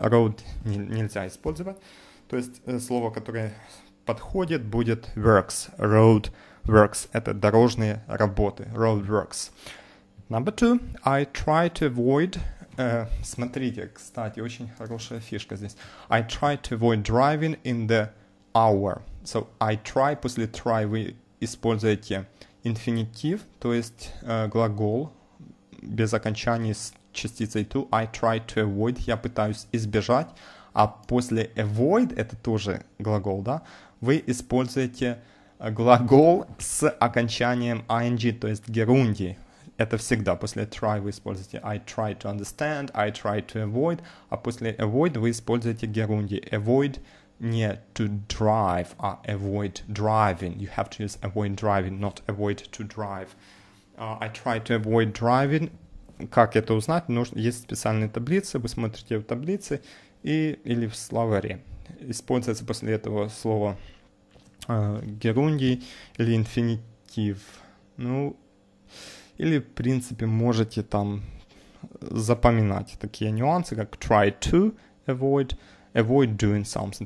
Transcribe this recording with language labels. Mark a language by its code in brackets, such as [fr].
[ru] Road нельзя использовать. То есть слово, которое подходит, будет works. Road works. Это дорожные работы. Road works. Number two. [en] I try to avoid... [ru] Смотрите, кстати, очень хорошая фишка здесь. [en] I try to avoid driving in the hour. So, I try, [ru] после try вы используете infinitive, то есть глагол без окончания с частицей to. [en] I try to avoid, [ru] я пытаюсь избежать. А после avoid, это тоже глагол, да, вы используете глагол с окончанием ing, то есть gerundi. Это всегда. После try вы используете [en] I try to understand, I try to avoid. [ru] А после avoid вы используете gerundi. Avoid не to drive, а avoid driving. [en] You have to use avoid driving, not avoid to drive. I try to avoid driving. [ru] Как это узнать? Есть специальные таблицы. Вы смотрите в таблице или в словаре. Используется после этого слово gerundi или infinitive. Ну... Или, в принципе, можете там запоминать такие нюансы, как [en] try to avoid, avoid doing something.